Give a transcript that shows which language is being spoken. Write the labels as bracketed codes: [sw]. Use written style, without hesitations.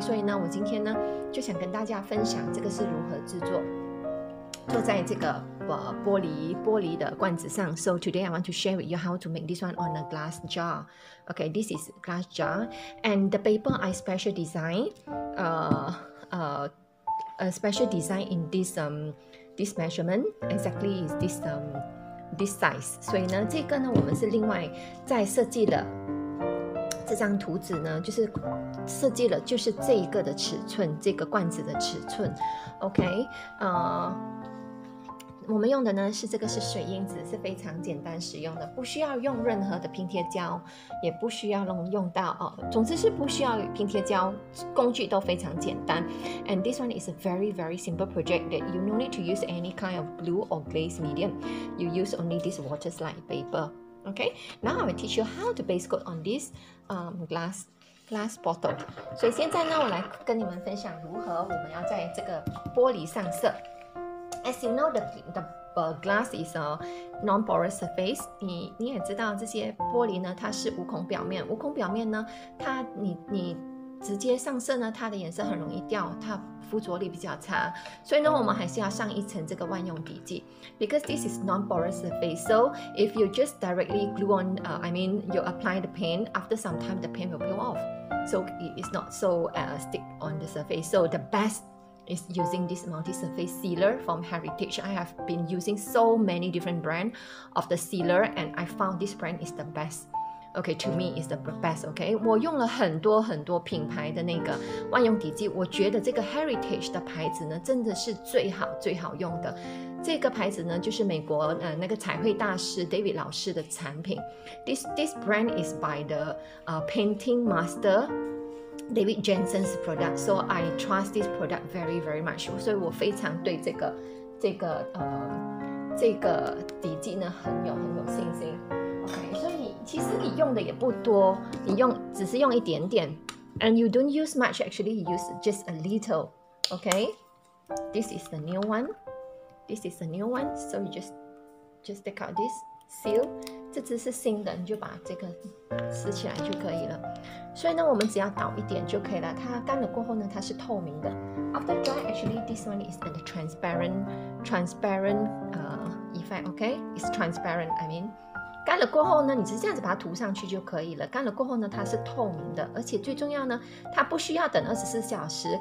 [zh] 所以呢，我今天呢就想跟大家分享这个是如何制作。坐在这个玻璃的罐子上。 [en] So today I want to share with you how to make this one on a glass jar. Okay, this is glass jar. And the paper I special design, a special design in this, this measurement. Exactly is this, this size. [zh] 所以呢，这个呢，我们是另外在设计的这张图纸呢，就是设计了就是这一个的尺寸，这个罐子的尺寸。 Okay, 我们用的呢是这个是水印纸，是非常简单使用的，不需要用任何的拼贴胶，也不需要用到哦，总之是不需要拼贴胶，工具都非常简单。 [en] And this one is a very very simple project that you no need to use any kind of glue or glaze medium. You use only this water slide paper. Okay, now I will teach you how to base coat on this glass bottle. [zh] 所以现在呢，我来跟你们分享如何我们要在这个玻璃上色。 [en] As you know, the glass is a non-porous surface. [zh] 你也知道这些玻璃呢，它是无孔表面。无孔表面呢，它你直接上色呢，它的颜色很容易掉，它附着力比较差。所以呢，我们还是要上一层这个万用底剂。 [en] Because this is non-porous surface, so if you just directly glue on, you apply the paint, after some time the paint will peel off. So it's not so stick on the surface. So the bestis using this multi-surface sealer from Heritage. I have been using so many different brands of the sealer and I found this brand is the best. Okay, to me is the best, okay? [zh] 我用了很多很多品牌的那个万用底剂，我觉得这个 Heritage 的牌子呢真的是最好最好用的。这个牌子呢就是美国那个彩绘大师 David 老师的产品。 [en] This brand is by the painting master,David Jensen's product, so I trust this product very, very much. [zh] 所以我非常对这个底剂呢很有信心。 Okay, 所以其实你用的也不多，你用只是用一点点 ， [en] and you don't use much. Actually, you use just a little. Okay, this is the new one. This is the new one. So you just take out this. [zh] Seal, 这只是新的，你就把这个撕起来就可以了。所以呢，我们只要倒一点就可以了。它干了过后呢，它是透明的。 [en] After dry, actually this one is the transparent effect. Okay, it's transparent. I mean, [zh] 干了过后呢，你只是这样子把它涂上去就可以了。干了过后呢，它是透明的，而且最重要呢，它不需要等24小时。